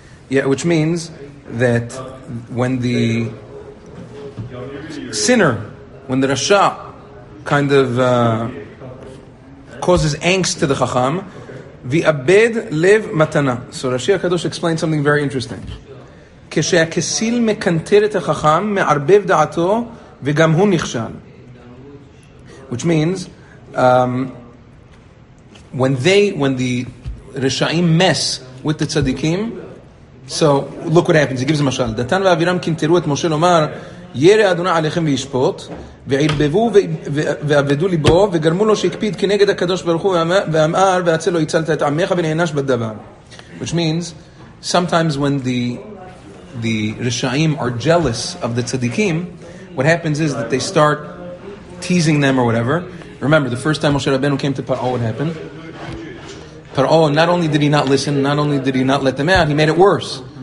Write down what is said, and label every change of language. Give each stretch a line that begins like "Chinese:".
English: Yeah, which means that when the sinner, when the rasha kind of causes angst to the chacham,
Hebrew: ויאבד לב מתנה.
English: So Rashi HaKadosh explained something very interesting.
Hebrew: כשהכסיל מקנטר את החכם, מערבב דעתו, וגם הוא נכשל.
English: Which means, when the רשעים mess with the צדיקים, so look what happens, he gives a משל.
Hebrew: דתן ואבירם קנטרו את משה לומר, ירא אדוני עליכם וישפוט, ועלבבו ועבדו ליבו, וגרמו לו שהקפיד כנגד הקדוש ברוך הוא, ואמר, והצל לו יצלת את עמך ונענש בדבר.
English: Which means, sometimes when the רשעים are jealous of the tzaddikim, what happens is that they start teasing them or whatever. Remember, the first time Moshe Rabbeinu came to Paro, what happened? Paro, not only did he not listen, not only did he not let them out, he made it worse.